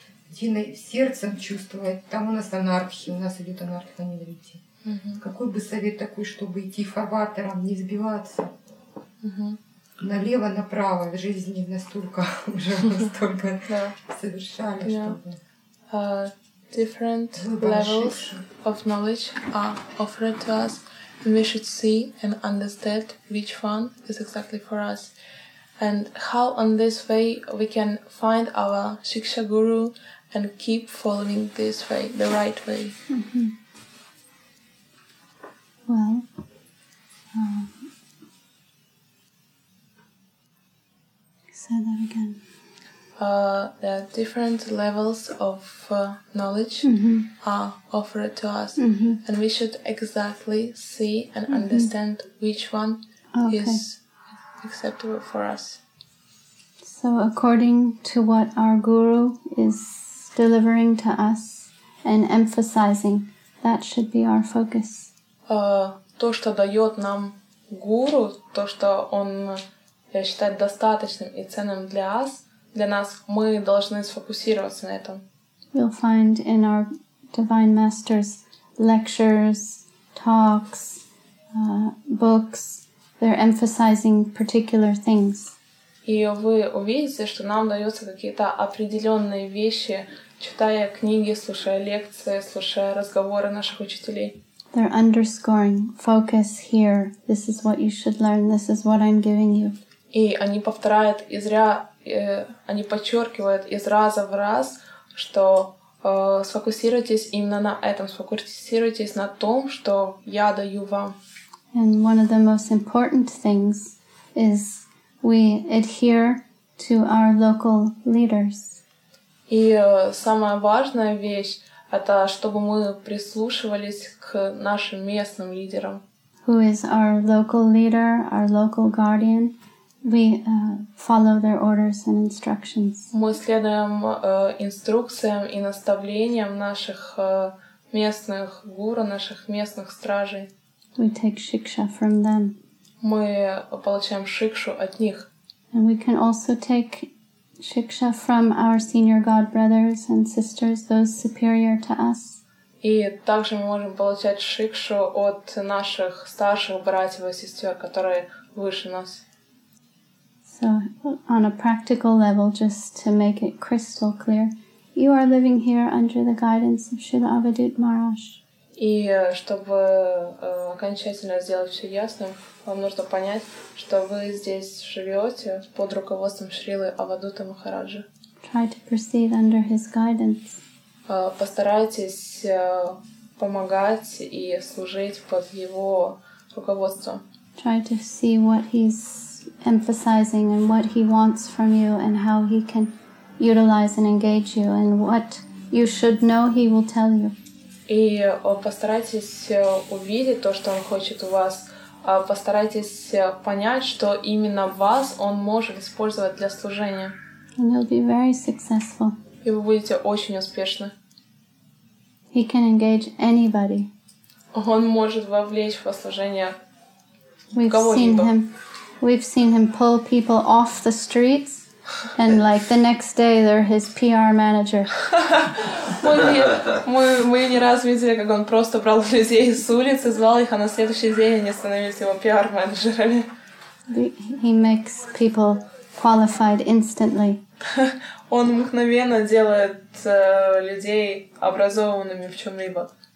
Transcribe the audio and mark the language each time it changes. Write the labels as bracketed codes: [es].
[ru] Дина сердцем чувствует, там у нас анархия, у нас идет анархия на недрите. Какой бы совет такой, чтобы идти фарватером, не сбиваться? налево направо в жизни настолько уже настолько совершали, чтобы [en] different levels of knowledge are offered to us, and we should see and understand which one is exactly for us, and how on this way we can find our Shiksha Guru and keep following this way, the right way. Mm-hmm. Well, say that again. There are different levels of knowledge are offered to us, and we should exactly see and understand which one is acceptable for us. So according to what our guru is delivering to us and emphasizing, that should be our focus. [ru] То, что дает нам гуру, то, что он считает достаточным и ценным для нас, для нас, мы должны сфокусироваться на этом. [en] We'll find in our Divine Master's lectures, talks, books, they're emphasizing particular things. [ru] И вы увидите, что нам даются какие-то определенные вещи, читая книги, слушая лекции, слушая разговоры наших учителей. [en] They're underscoring, focus here, this is what you should learn, this is what I'm giving you. [ru] И они повторяют из они подчеркивают из раза в раз, что сфокусируйтесь именно на этом, сфокусируйтесь на том, что я даю вам. [en] And one of the most important things is we adhere to our local leaders. [ru] И самая важная вещь — это чтобы мы прислушивались к нашим местным лидерам. [en] Who is our local leader, our local guardian? We follow their orders and instructions. [ru] Мы следуем инструкциям и наставлениям наших местных гуру, наших местных стражей. [en] We take shiksha from them. [ru] Мы получаем шикшу от них. [en] And we can also take shiksha from our senior god brothers and sisters, those superior to us. [ru] И также мы можем получать шикшу от наших старших братьев и сестер, которые выше нас. [en] So on a practical level, just to make it crystal clear, you are living here under the guidance of Srila Avadhut Maharaj. [ru] И чтобы окончательно сделать все ясным, вам нужно понять, что вы здесь живете под руководством Шрилы Авадута Махараджа. [en] Try to proceed under his guidance. [ru] Постарайтесь помогать и служить под его руководством. [en] Try to see what he's emphasizing and what he wants from you and how he can utilize and engage you and what you should know he will tell you. [ru] И постарайтесь увидеть то, что он хочет у вас, постарайтесь понять, что именно вас он может использовать для служения. [en] And you'll be very successful. [ru] И вы будете очень успешны. [en] He can engage anybody. [ru] Он может вовлечь в служение [en] кого-либо. We've seen him. We've seen him pull people off the streets, and like the next day, they're his PR manager. [ru] Мы не раз видели, как он просто брал людей с улицы, звал их, а на следующий день они становились его PR менеджерами. [en] He makes people qualified instantly. [ru] Он мгновенно делает людей образованными в чем-либо.